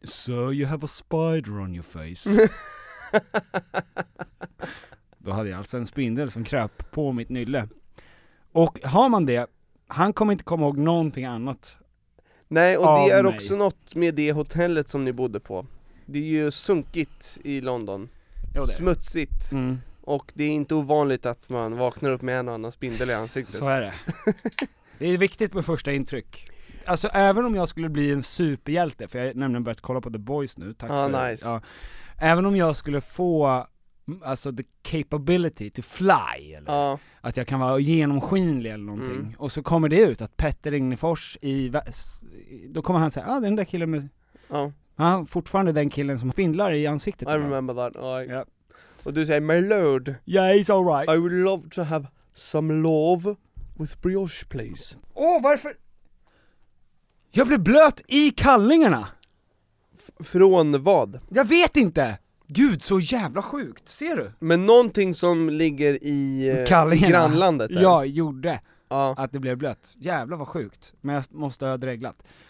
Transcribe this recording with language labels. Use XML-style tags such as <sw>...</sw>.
<en>So you have a spider on your face.</en> <sv>Då hade jag alltså en spindel som kröp på mitt nylle. Och har man det, han kommer inte komma ihåg någonting annat. Nej, och det är också något med det hotellet som ni bodde på. Det är ju sunkigt i London. Jo, det. Smutsigt. Mm. Och det är inte ovanligt att man vaknar upp med en annan spindel i ansiktet. Så är det. Det är viktigt med första intryck. Alltså även om jag skulle bli en superhjälte, för jag har nämligen börjat kolla på The Boys nu. Tack för</sv> <en>nice.</en> <sv>Det. Ja. Även om jag skulle få... alltså</sv> <en>the capability to fly</en> <sv>eller att jag kan vara genomskinlig eller någonting. Mm. Och så kommer det ut att Petter Ingefors i då kommer han säga, ah, den där killen med han är fortfarande den killen som spindlar i ansiktet.</sv> <en>I remember that.</en> <sv>Och du säger,</sv> <en>my lord. Yeah, he's all right. I would love to have some love with brioche, please.</en> <sv>Åh, varför? Jag blev blöt i kallingarna. Från vad? Jag vet inte. Gud, så jävla sjukt, ser du? Men någonting som ligger i grannlandet. Ja, gjorde att det blev blött. Jävla vad sjukt, men jag måste ha dreglat.</sv>